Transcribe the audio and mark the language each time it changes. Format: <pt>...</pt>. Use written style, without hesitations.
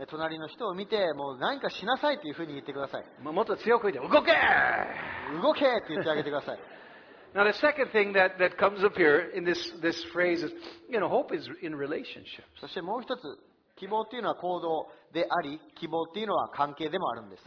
<ja>隣の人を見てもう何かしなさいというふうに言ってください。もっと強く言って動け。動けって言ってあげてください。</ja> <en>Now the second thing that comes up here in this phrase is, you know, hope is in relationships.</en> <ja>そしてもう一つ、希望というのは行動であり、希望というのは関係でもあるんです。</ja>